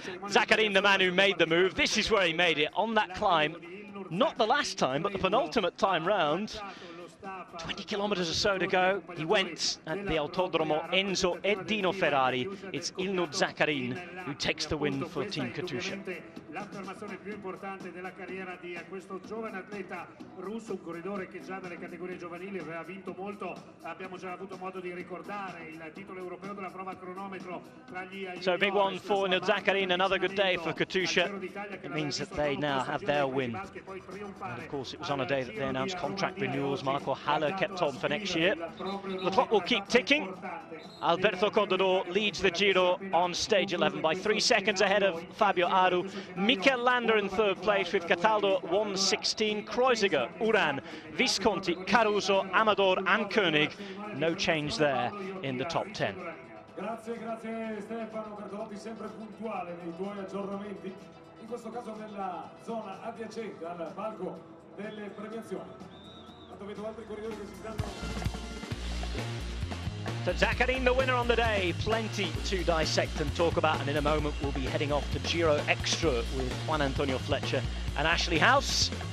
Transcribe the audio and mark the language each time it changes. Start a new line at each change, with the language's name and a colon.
English: Zakarin, the man who made the move, this is where he made it, on that climb. Not the last time, but the penultimate time round. 20 kilometers or so to go, he went at the Autodromo Enzo Edino Ferrari. It's Ilno Zakarin who takes the win for Team Katusha.
Italian: L'affermazione più importante della carriera di questo giovane atleta russo, un corridore che già dalle categorie giovanili aveva vinto molto, abbiamo già avuto modo di ricordare il titolo europeo della prova cronometro tra gli.
English: So big one for ˈdʒiːro, another good day for Katusha. It means that they now have their win. And of course, it was on a day that they announced contract renewals. Marco Haller kept on for next year. The clock will keep ticking. Alberto Contador leads the Giro on stage 11 by 3 seconds ahead of Fabio Aru. Mikel Landa in third place with Cataldo 116, Kreuziger, Uran, Visconti, Caruso, Amador and Koenig. No change there in the top 10.
Italian: Grazie, grazie Stefano Bertolotti, sempre puntuale nei tuoi aggiornamenti. In questo caso nella zona adiacente al palco delle premiazioni. Tanto vedo altri corridori che si stanno.
English: So Zakarin, the winner on the day, plenty to dissect and talk about, and in a moment we'll be heading off to Giro Extra with Juan Antonio Fletcher and Ashley House.